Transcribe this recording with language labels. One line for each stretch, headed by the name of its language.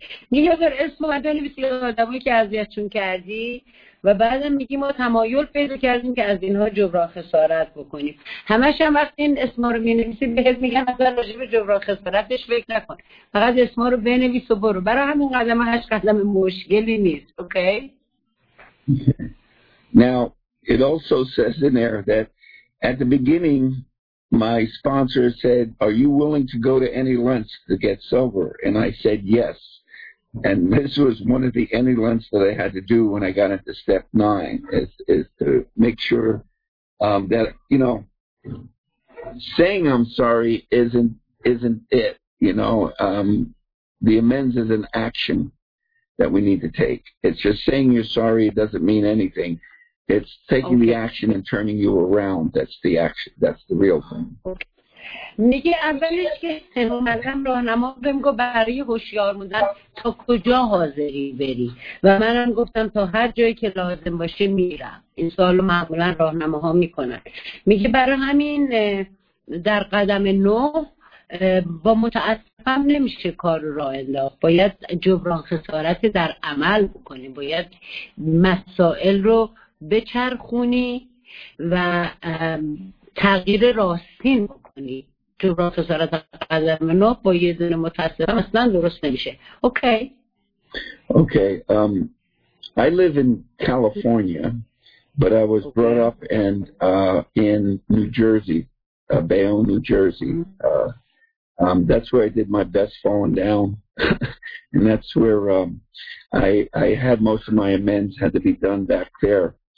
Persian: میگه اگر اسمو باید بنویسی آدمایی که اذیتشون کردی و بعدم میگی ما تمایل پیدا کردیم که از اینها جبران خسارت بکنیم. همش هم وقتی این اسما رو مینویسی بهت میگن اصلا راجع به جبران خسارتش فکر نکن، فقط اسما رو بنویس و برو. برای همین قدم هشت قدم مشکلی نیست.
English: Okay. Now it also says in there that at the beginning my sponsor said, are you willing to go to any lengths to get sober? And I said yes. And this was one of the any lengths that I had to do when I got into step nine, is to make sure that, you know, saying I'm sorry isn't it, you know. The amends is an action that we need to take. It's just saying you're sorry, it doesn't mean anything. It's taking okay. the action and turning you around. That's the action. That's the real thing. Okay.
Persian: میگه اولش که اومدم راهنما بهم گفت برای هوشیار موندن تا کجا حاضری بری، و منم گفتم تا هر جایی که لازم باشه میرم. این سوالو معمولا راهنماها میکنن. میگه برای همین در قدم نو با متاسفم نمیشه کار را انداخت، باید جبران خسارت در عمل بکنی، باید مسائل رو بچرخونی و تغییر راستین بکنی. جبران خسارت قدم نو با یه دونه متاسفم اصلا درست نمیشه.
English: Okay. Okay. I live in California, but I was brought up and in New Jersey, Bayonne, New Jersey. That's where I did my best falling down. And that's where I had most of my amends had to be done back there.